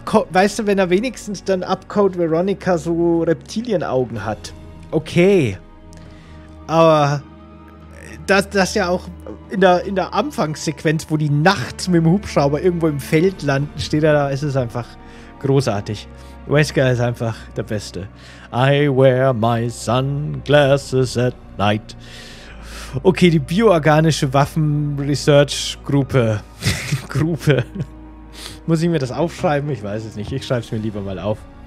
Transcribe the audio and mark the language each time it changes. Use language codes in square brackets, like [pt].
[de] Weißt du, wenn er wenigstens dann ab Code Veronica so Reptilienaugen hat. Okay. Aber das ja auch in der Anfangssequenz, wo die nachts mit dem Hubschrauber irgendwo im Feld landen, steht er da, ist es einfach großartig. Wesker ist einfach der Beste. [en] I wear my sunglasses at night. [de] Okay, die bioorganische Waffen-Research-Gruppe. Gruppe. Muss ich mir das aufschreiben? Ich weiß es nicht. Ich schreibe es mir lieber mal auf.